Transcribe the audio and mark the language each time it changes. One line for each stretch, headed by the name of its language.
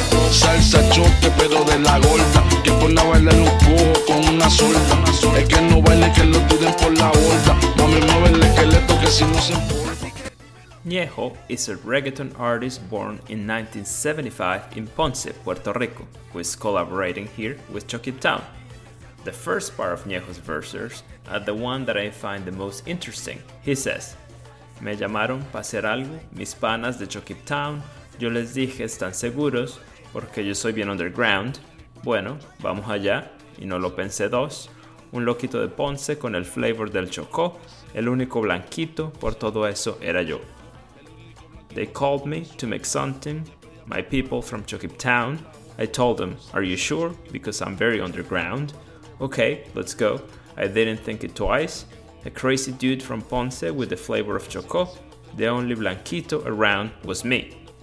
Spanish: Salsa choque, pero de la gorda, que pone a bailar un cojo con una sorda. Es que no baile, que lo tiren por la borda. Mami, muevele que le toque si no se importa.
English: Ñejo is a reggaeton artist born in 1975 in Ponce, Puerto Rico, who is collaborating here with Choquip Town. The first part of Ñejo's verses are the one that I find the most interesting. He says,
Spanish: Me llamaron pa' hacer algo, mis panas de Choquip Town, yo les dije están seguros, porque yo soy bien underground, bueno, vamos allá, y no lo pensé dos, un loquito de Ponce con el flavor del Chocó, el único blanquito por todo eso era yo.
English: They called me to make something, my people from Choquip Town, I told them, are you sure, because I'm very underground, okay, let's go, I didn't think it twice, a crazy dude from Ponce with the flavor of Chocó, the only blanquito around was me.